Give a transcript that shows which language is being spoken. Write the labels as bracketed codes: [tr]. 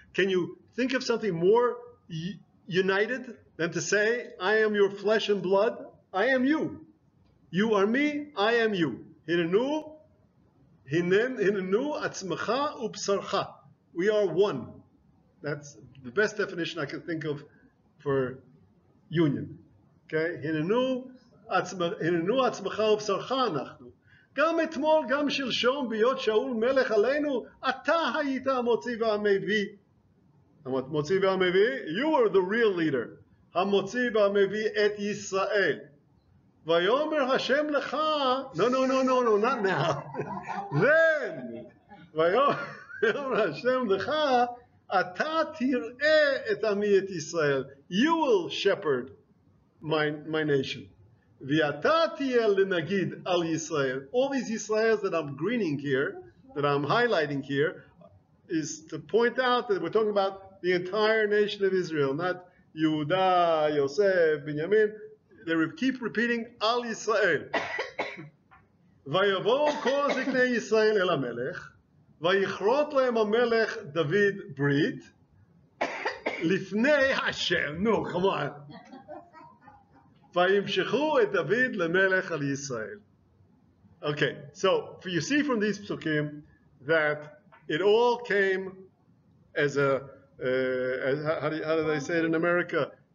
[en] Can you think of something more united than to say, I am your flesh and blood, I am you. You are me, I am you. [he] Hinenu, hinenu atzmecha ubsarcha. [en] We are one. That's the best definition I can think of for union. Okay? [he] Hinenu הננו עצמך ובשרך אנחנו. גם אתמול, גם שלשום, ביות שאול מלך עלינו, אתה היית המוציא והמביא. המוציא והמביא? [en] You are the real leader. [he] המוציא והמביא את ישראל. ויאמר השם לך, [en] no, not now. [he] Then, ויאמר השם לך, אתה תראה את עמי את ישראל. [en] You will shepherd my nation. All these Israels that I'm greening here, that I'm highlighting here, is to point out that we're talking about the entire nation of Israel, not Yehuda, Yosef, Benjamin. They keep repeating [he] Al Yisrael. Vayavo kol zikne Yisrael el ha-melech, vayichrot lehem ha-melech David Brit, lifnei Hashem. No, come on. וימשכו את דוד למלך על ישראל. [en] Okay, so you see from these psukim that it all came as a how do they say it in America?